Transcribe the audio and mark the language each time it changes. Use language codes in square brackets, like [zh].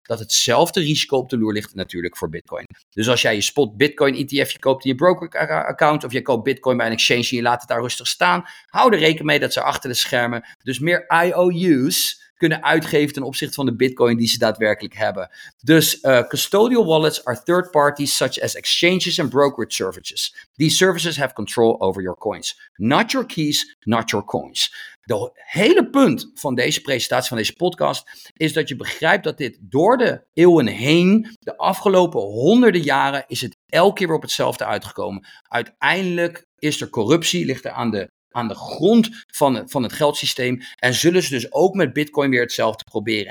[nl] Dat hetzelfde risico op de loer ligt natuurlijk voor Bitcoin. Dus als jij je spot Bitcoin ETF, je koopt in je broker account of je koopt Bitcoin bij een exchange en je laat het daar rustig staan, hou er rekening mee dat ze achter de schermen dus meer IOU's kunnen uitgeven ten opzichte van de Bitcoin die ze daadwerkelijk hebben. [en] Dus custodial wallets are third parties such as exchanges and brokerage services. These services have control over your coins. Not your keys, not your coins. [nl] De hele punt van deze presentatie, van deze podcast, is dat je begrijpt dat dit door de eeuwen heen, de afgelopen honderden jaren, is het elke keer op hetzelfde uitgekomen. Uiteindelijk is er corruptie, ligt er aan de grond van het geldsysteem en zullen ze dus ook met Bitcoin weer hetzelfde proberen.